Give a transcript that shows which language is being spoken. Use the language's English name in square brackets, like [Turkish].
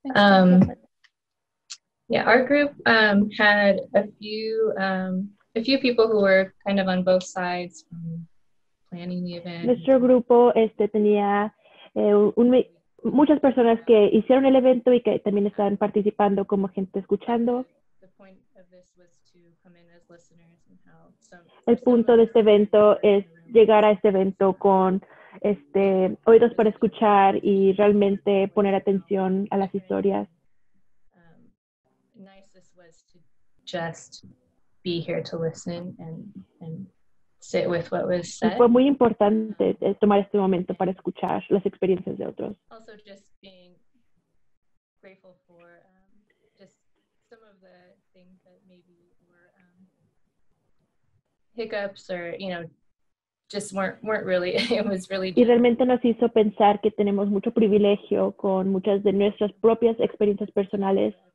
[English] Our group had a few people who were kind of on both sides from planning the event. [Spanish] Nuestro grupo tenía muchas personas que hicieron el evento y que también estaban participando como gente escuchando. [English] The point of this was to come in as listeners and help. [Spanish] El punto de este evento es llegar a este evento con oídos para escuchar y realmente poner atención a las historias. [English] Nicest was to just be here to listen and sit with what was said. [Spanish] Fue muy importante tomar este momento para escuchar las experiencias de otros. [English] Also just being grateful for just some of the things that maybe were hiccups or, just weren't really, it was really difficult. [Spanish] Y realmente nos hizo pensar que tenemos mucho privilegio con muchas de nuestras propias experiencias personales.